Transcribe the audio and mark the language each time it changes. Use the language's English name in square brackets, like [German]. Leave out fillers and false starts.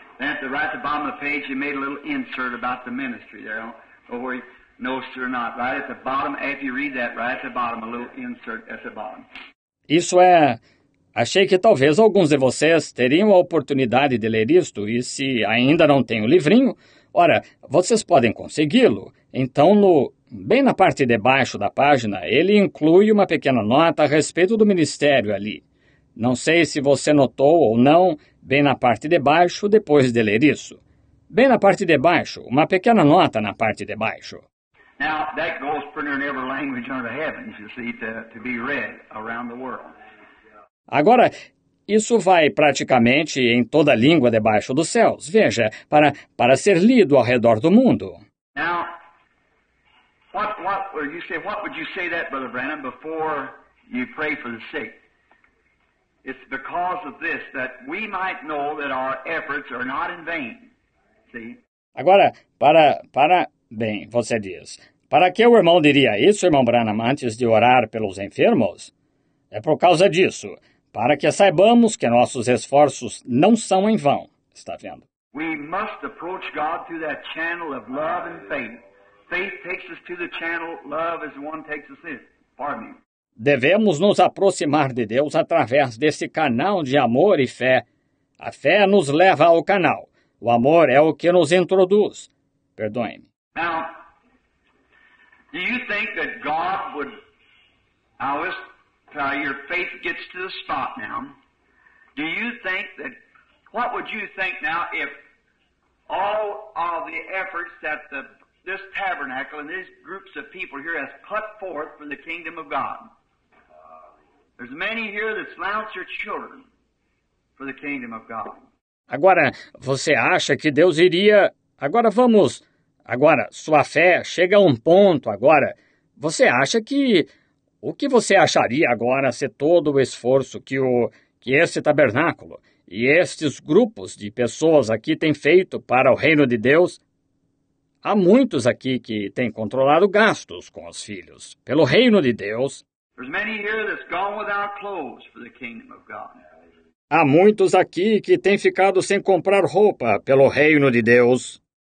[English] Then at the right at the bottom of the page, you made a little insert about the ministry there. Don't worry. No, sir, not. Right at the bottom, if you read that, right at the bottom, a little insert at the bottom. [Portuguese] Isso é... Achei que talvez alguns de vocês teriam a oportunidade de ler isto, e se ainda não tem o livrinho, ora, vocês podem consegui-lo. Então, no... bem na parte de baixo da página, ele inclui uma pequena nota a respeito do ministério ali. Não sei se você notou ou não, bem na parte de baixo, depois de ler isso. Bem na parte de baixo, uma pequena nota na parte de baixo. [English] Now, that goes printed in every language under the heavens, you see, to be read around the world. [Portuguese] Agora, isso vai praticamente em toda a língua debaixo dos céus, veja, para ser lido ao redor do mundo. [English] Now, what would you say that, Brother Branham, before you pray for the sick? It's because of this that we might know that our efforts are not in vain. [Portuguese] Agora, bem, você diz, para que o irmão diria isso, irmão Branham, antes de orar pelos enfermos? É por causa disso, para que saibamos que nossos esforços não são em vão, está vendo? [English] We must approach God through that channel of love and faith. Faith takes us to the channel, love is the one takes us in. Pardon me. [Portuguese] Devemos nos aproximar de Deus através desse canal de amor e fé. A fé nos leva ao canal. O amor é o que nos introduz. Perdoe-me. [English] Now, do you think that God would, Alice, your faith gets to the spot now. Do you think that, what would you think now if all of the efforts that this tabernacle and these groups of people here has put forth for the kingdom of God? There's many here that slouch their children for the kingdom of God. [Portuguese] Agora, você acha que Deus iria... Agora, vamos... Agora, sua fé chega a um ponto agora. Você acha que... O que você acharia agora se todo o esforço que o... que esse tabernáculo e estes grupos de pessoas aqui têm feito para o reino de Deus? Há muitos aqui que têm controlado gastos com os filhos pelo reino de Deus. [English] There's many here that's gone without clothes for the kingdom of God. [Portuguese] Há muitos aqui que têm ficado sem comprar roupa pelo reino de Deus.